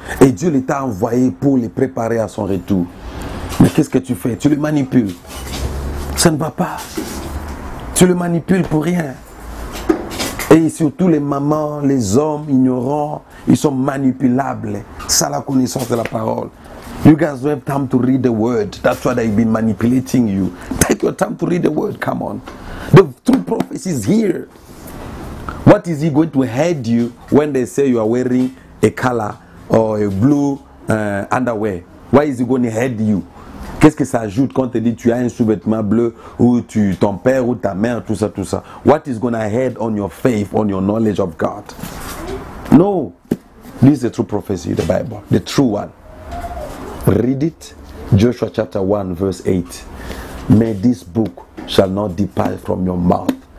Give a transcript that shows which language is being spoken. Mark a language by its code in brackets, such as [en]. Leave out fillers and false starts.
[fr] Et Dieu les t'a envoyé pour les préparer à son retour. Mais qu'est-ce que tu fais? Tu le manipules. Ça ne va pas. Tu le manipules pour rien. Et surtout les mamans, les hommes ignorants, ils sont manipulables. Ça, la connaissance de la parole. [en] You guys don't have time to read the word. That's why they've been manipulating you. Take your time to read the word. Come on. The true prophecy is here. What is he going to head you when they say you are wearing a color or a blue underwear? Why is he going to head you? [fr] Qu'est-ce que ça ajoute quand tu dis tu as un sous-vêtement bleu ou tu, ton père ou ta mère, tout ça, tout ça? [en] What is going to head on your faith, on your knowledge of God? No. This is the true prophecy, the Bible. The true one. Read it. Joshua chapter 1, verse 8. May this book shall not depart from your mouth.